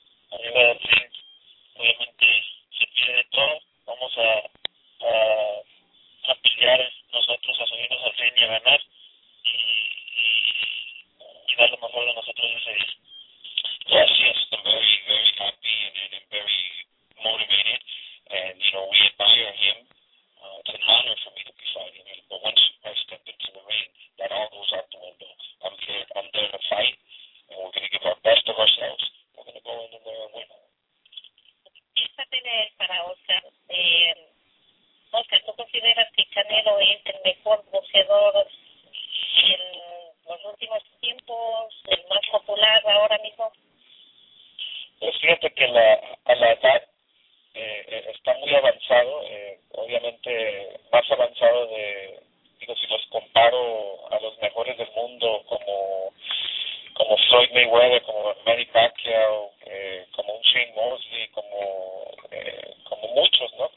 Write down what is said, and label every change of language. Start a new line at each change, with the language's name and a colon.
Spanish: Arriba del ring, obviamente, se pide de todo. Vamos a pelear nosotros, a subirnos al ring y a ganar y dar lo mejor de nosotros ese día.
English: Yes, yes, I'm very, very happy and very motivated, and, you know, we admire him. It's an honor for me to be fighting him, but once I step into the ring, that all goes out the window. I'm here, I'm there to fight, and we're going to give our best of ourselves. We're going to go in there and win.
Spanish: Esta pelea es para Oscar. Oscar, ¿tú consideras que Canelo es el mejor boxeador en los últimos tiempos, el más popular ahora mismo? Pues fíjate que a la edad está muy avanzado, obviamente más avanzado si los comparo a los mejores del mundo como Floyd Mayweather, como Manny Pacquiao, como un Shane Mosley, como muchos, ¿no?